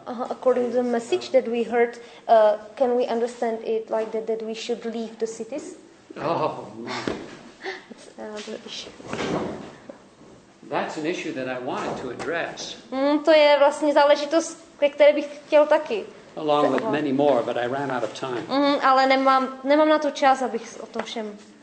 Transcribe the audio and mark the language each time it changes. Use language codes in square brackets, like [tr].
[en] According to the message that we heard, can we understand it like that we should leave the cities? Oh, my. That's another issue. That's an issue that I wanted to address. [cs] To je vlastně záležitost, ke které bych chtěl taky. [en] Along with many more, but I ran out of time. [cs] Ale nemám na to čas, abych o tom všem.